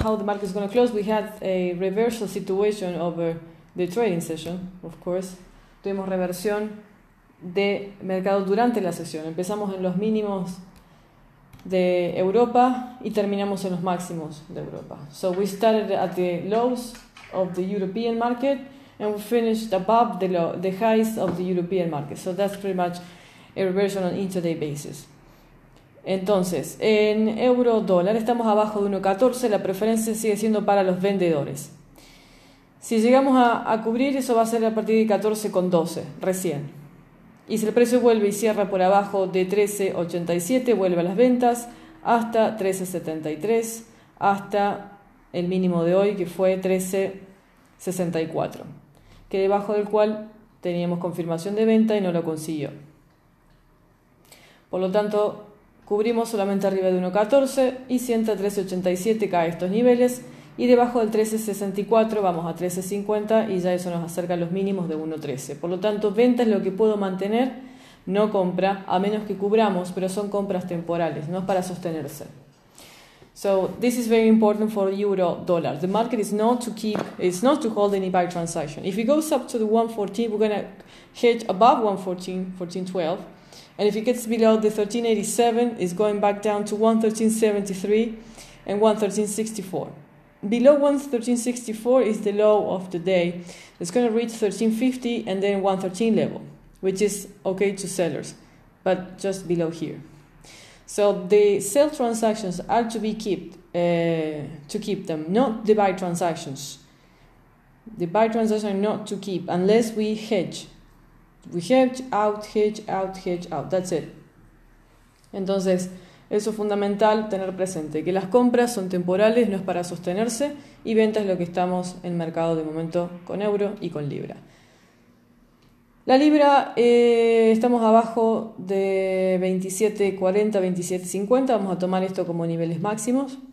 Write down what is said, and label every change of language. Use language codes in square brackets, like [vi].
[en] How the market is going to close? We had a reversal situation over the trading session, of course. [es] Tuvimos reversión de mercado durante la sesión. Empezamos en los mínimos de Europa y terminamos en los máximos de Europa. [en] So we started at the lows of the European market and we finished above the highs of the European market. So that's pretty much a reversion on intraday basis. [es] Entonces, en euro dólar estamos abajo de 1.14, la preferencia sigue siendo para los vendedores. Si llegamos a cubrir, eso va a ser a partir de 14.12, recién. Y si el precio vuelve y cierra por abajo de 13.87, vuelve a las ventas hasta 13.73, hasta el mínimo de hoy que fue 13.64, que debajo del cual teníamos confirmación de venta y no lo consiguió. Por lo tanto, cubrimos solamente arriba de 1.14 y si entra 13.87 cae a estos niveles y debajo del 13.64 vamos a 13.50 y ya eso nos acerca a los mínimos de 1.13. Por lo tanto, venta es lo que puedo mantener, no compra, a menos que cubramos, pero son compras temporales, no es para sostenerse. [en] So, this is very important for euro dollar. The market is not to keep, it's not to hold any buy transaction. If it goes up to the 1.14, we're going to hedge above 1.14, 1.412. And if it gets below the 1387, it's going back down to 1.1373 and 1.1364. Below 1.1364 is the low of the day. It's going to reach 1350 and then 1.13 level, which is okay to sellers, but just below here. So the sell transactions are to be to keep them, not the buy transactions. The buy transactions are not to keep unless we hedge. We hedge out, hedge out, hedge out. That's it. [es] Entonces, eso es fundamental tener presente, que las compras son temporales, no es para sostenerse, y venta es lo que estamos en mercado de momento con euro y con libra. La libra, estamos abajo de 27.40, 27.50, vamos a tomar esto como niveles máximos.